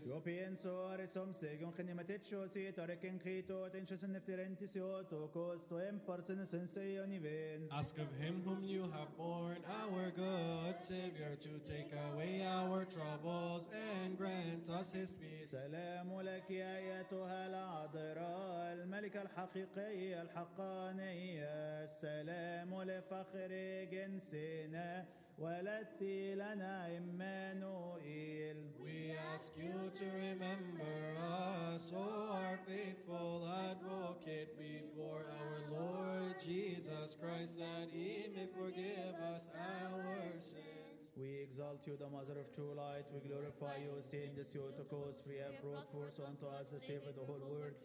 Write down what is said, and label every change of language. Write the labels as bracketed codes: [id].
[en] Yo pienso arisom segun chenimatecho si torekin chito tencho sen neftirentisio tokos to emparsen sen seyon iven. Ask of him who whom you have borne, our good Savior, to take away our troubles and grant us his peace. [ar] سلام لك يا أيتها العذراء الملك الحقيقي الحقاني السلام لفخر جنسنا والتي لنا إمانوئيل. [en] We ask you to remember us, O our faithful advocate, before our Lord Jesus Christ, that he may forgive us our sins. We exalt you, the Mother of true light. We glorify you, seeing this you to cause free and brought forth unto us the Savior of the whole world.